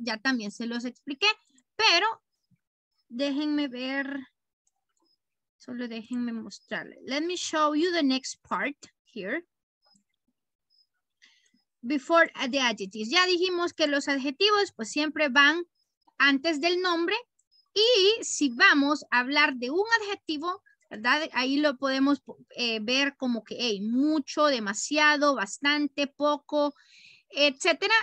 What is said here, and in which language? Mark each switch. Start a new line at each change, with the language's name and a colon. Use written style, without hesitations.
Spanish: Ya también se los expliqué, pero déjenme ver. Solo déjenme mostrarles.
English: Let me show you the next part here. Before the adjectives.
Spanish: Ya dijimos que los adjetivos pues siempre van antes del nombre. Y si vamos a hablar de un adjetivo, ¿verdad? Ahí lo podemos ver como que hey, mucho, demasiado, bastante, poco, etcétera.